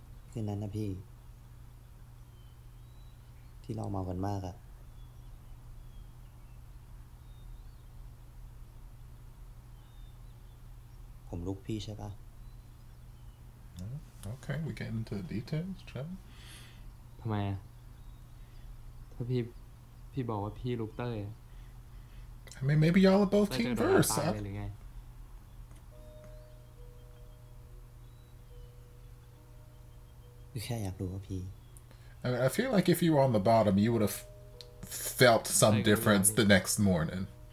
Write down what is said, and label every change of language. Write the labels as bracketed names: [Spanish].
[Thai] คืนนั้นนะพี่ที่เราเมากันมากอ่ะผมลุกพี่ใช่ป่ะ [English] โอเค we get into the details ครับ [Thai] ทำไมอ่ะถ้าพี่บอกว่าพี่ลุกเต้ย [English] I mean maybe y'all are both team verse [Thai] ครับ แค่อยากรู้ว่าพี่ [English] I feel like if you were on the bottom you would have felt some difference the next morning.